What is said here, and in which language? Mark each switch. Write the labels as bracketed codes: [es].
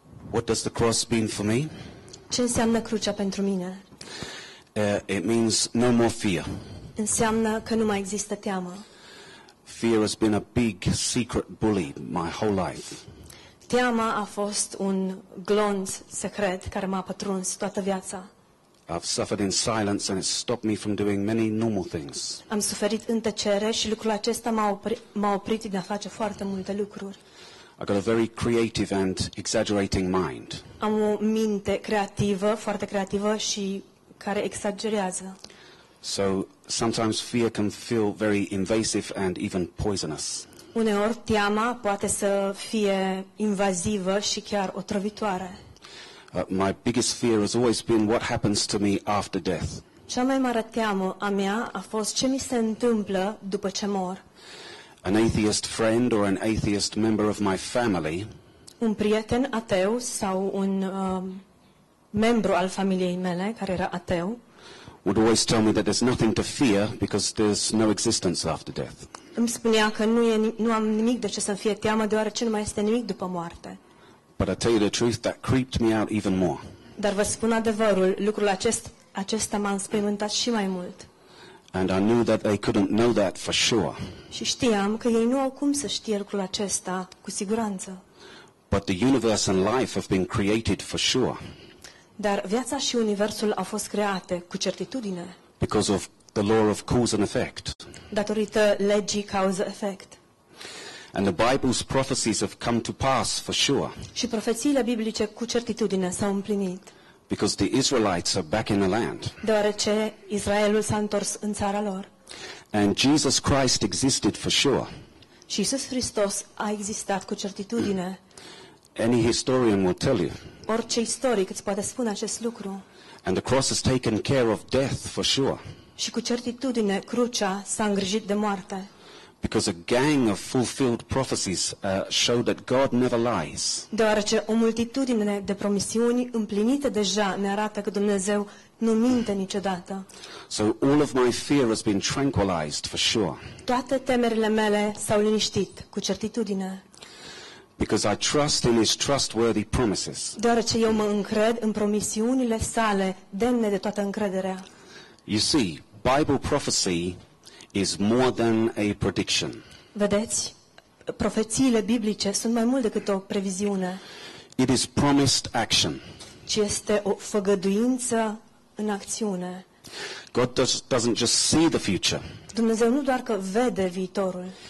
[en] What does the cross mean for me? [ro] Ce înseamnă crucea pentru mine? [en] It means no more fear. [ro] Înseamnă că nu mai există teamă. [en] Fear has been a big secret bully my whole life. [ro] Teama a fost un glonț secret care m-a pătruns toată viața. [en] I've suffered in silence and it stopped me from doing many normal things. [ro] Am suferit în tăcere și lucrul acesta m-a oprit de a face foarte multe lucruri. [en] I got a very creative and exaggerating mind. [ro] Am o minte creativă, foarte creativă și care exagerează. [en] So sometimes fear can feel very invasive and even poisonous. [ro] Uneori teama poate să fie invazivă și chiar otrăvitoare. [en] My biggest fear has always been what happens to me after death. [ro] Cea mai mare teamă a mea a fost ce mi se întâmplă după ce mor. [en] An atheist friend or an atheist member of my family. [ro] Un prieten ateu sau un membru al familiei mele care era ateu. [en] Would always tell me that there's nothing to fear because there's no existence after death. [ro] Îmi spunea că nu am nimic de ce să fie teamă deoarece nu mai este nimic după moarte. [en] But I tell you the truth, that creeped me out even more. [ro] Dar vă spun adevărul, lucrul acesta m-a înspăimântat și mai mult. [en] And I knew that they couldn't know that for sure. [ro] Și știam că ei nu au cum să știe lucrul acesta cu siguranță. [en] But the universe and life have been created for sure. [ro] Dar viața și universul au fost create cu certitudine. [en] Because of the law of cause and effect. [ro] Datorită legii cauză-efect. [en] And the Bible's prophecies have come to pass for sure. [ro] Și profețiile biblice cu certitudine s-au împlinit. [en] Because the Israelites are back in the land. [ro] Deoarece Israelul s-a întors în țara lor. [en] And Jesus Christ existed for sure. [ro] Și Iisus Hristos a existat cu certitudine. [en] Any historian will tell you. [ro] Orice istoric îți poate spune acest lucru. [en] And the cross has taken care of death for sure. [ro] Și cu certitudine crucea s-a îngrijit de moarte. [en] Because a gang of fulfilled prophecies show that God never lies. [ro] Deoarece o multitudine de promisiuni împlinite deja ne arată că Dumnezeu nu minte niciodată. [en] So all of my fear has been tranquilized for sure. [ro] Toate temerile mele s-au liniștit cu certitudine. [en] Because I trust in his trustworthy promises. [ro] Deoarece eu mă încred în promisiunile sale demne de toată încrederea. [en] You see, Bible prophecy is more than a prediction. [ro] Vedeți, profețiile biblice sunt mai mult decât o previziune. [en] It is promised action. [ro] Ci este o făgăduință în acțiune. [en] God doesn't just see the future. [ro] Dumnezeu nu doar că vede viitorul.